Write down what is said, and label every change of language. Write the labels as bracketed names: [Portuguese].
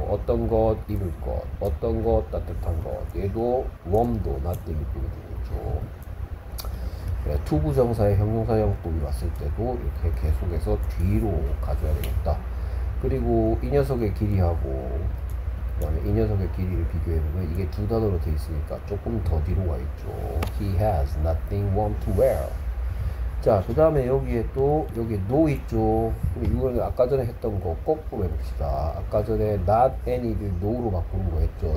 [Korean] 어떤 것, 입을 것, 어떤 것, 따뜻한 것. 얘도 warm도 nothing이 꾸며주겠죠. 투부정사의 형용사형법이 왔을 때도 이렇게 계속해서 뒤로 가져야 되겠다. 그리고 이 녀석의 길이하고, 그 다음에 이 녀석의 길이를 비교해보면 이게 두 단어로 되어 있으니까 조금 더 뒤로 와 있죠. [English] He has nothing warm to wear. [Korean] 자, 그 다음에 여기에 또 여기 no 있죠. 이거는 아까 전에 했던 거 거꾸로 해봅시다. 아까 전에 not any를 no로 바꾼 거 했죠.